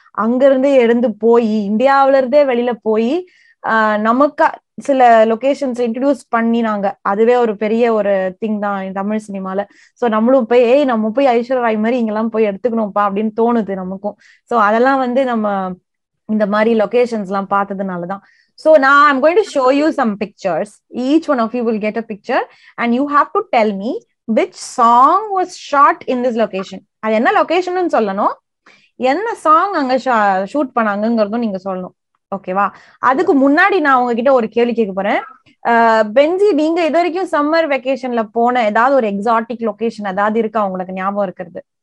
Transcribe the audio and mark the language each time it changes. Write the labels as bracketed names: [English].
[Tamil] அங்கிருந்து எழுந்து போய் இந்தியாவில இருந்தே வெளியில போய் நமக்கு சில லொகேஷன்ஸ் இன்ட்ரடியூஸ் பண்ணினாங்க. அதுவே ஒரு பெரிய ஒரு திங் தான் தமிழ் சினிமால. சோ நம்மளும் போய் ஏய் நம்ம போய் ஐஸ்வர்யா ராய் மாதிரி இங்கெல்லாம் போய் எடுத்துக்கணும்ப்பா அப்படின்னு தோணுது நமக்கும். சோ அதெல்லாம் வந்து நம்ம இந்த மாதிரி லொகேஷன்ஸ் எல்லாம் பார்த்ததுனாலதான். [English] So now I'm going to show you some pictures. Each one of you will get a picture and you have to tell me which song was shot in this location. [Tamil] அது என்ன location னு சொல்லணும், என்ன song அங்க shoot பண்ணாங்கங்கறதும் நீங்க சொல்லணும். ஓகேவா? அதுக்கு முன்னாடி நான் உங்ககிட்ட ஒரு கேள்வி கேட்க போறேன். பென்சி, நீங்க இது வரைக்கும் சம்மர் வெகேஷன்ல போன ஏதாவது ஒரு எக்ஸாட்டிக் லொகேஷன் ஏதாவது இருக்கா உங்களுக்கு ஞாபகம் இருக்கிறது?